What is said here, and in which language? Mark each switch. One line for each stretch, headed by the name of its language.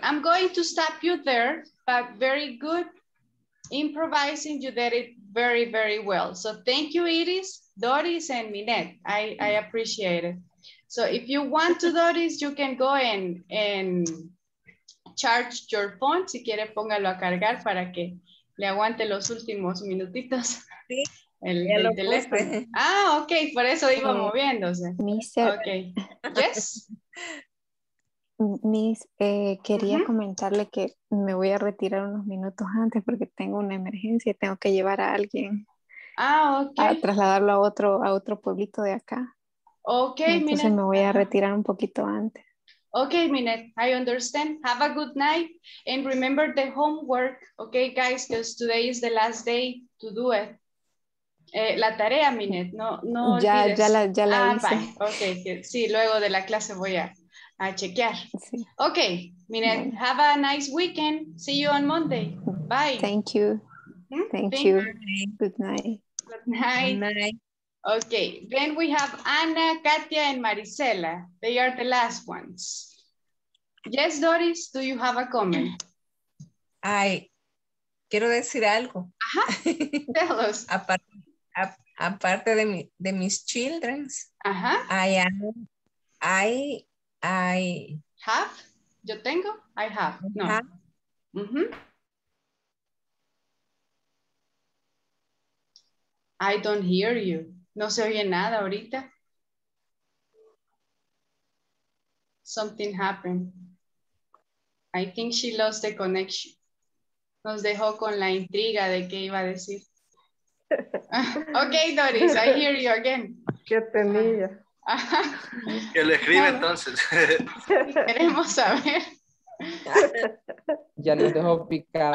English: I'm going to stop you there, but very good improvising. You did it very, very well. So thank you, Iris, Doris, and Minette. I appreciate it. So if you want to do this, you can go and charge your phone.
Spanish: Si quiere, póngalo a cargar para que le aguante los últimos minutitos. Sí, el teléfono. Puse. Ah, ok, por eso iba moviéndose.
English: Mister. Ok. Yes.
Spanish: Miss, quería uh-huh. comentarle que me voy a retirar unos minutos antes porque tengo una emergencia y tengo que llevar a alguien. Ah, ok. A trasladarlo a otro pueblito de acá.
English: Okay,
Spanish: entonces Minette. Me voy a retirar un poquito antes.
English: Okay, Minette, I understand. Have a good night and remember the homework, okay, guys, because today is the last day to do it.
Spanish: La tarea, Minette, no ya, olvides. Ya la hice. Bye. Okay, sí, luego de la clase voy a chequear. Sí.
English: Okay, Minette, bueno. Have a nice weekend. See you on Monday. Bye. Thank you. Thank you. Good night. Good night. Okay, then we have Anna, Katia, and Marisela. They are the last ones. Yes, Doris, do you have a comment?
Spanish: I quiero decir algo.
English: Uh-huh. Tell us.
Spanish: aparte de mis children, uh-huh.
English: I Have,
Spanish: yo tengo,
English: I have. No. I don't hear you.
Spanish: No se oye nada ahorita.
English: Something happened. I think she lost the connection.
Spanish: Nos dejó con la intriga de qué iba a decir.
English: Okay, Doris, I hear you again.
Spanish: Qué tenía. Que le escribe bueno, entonces. Queremos saber. Ya nos dejó picado.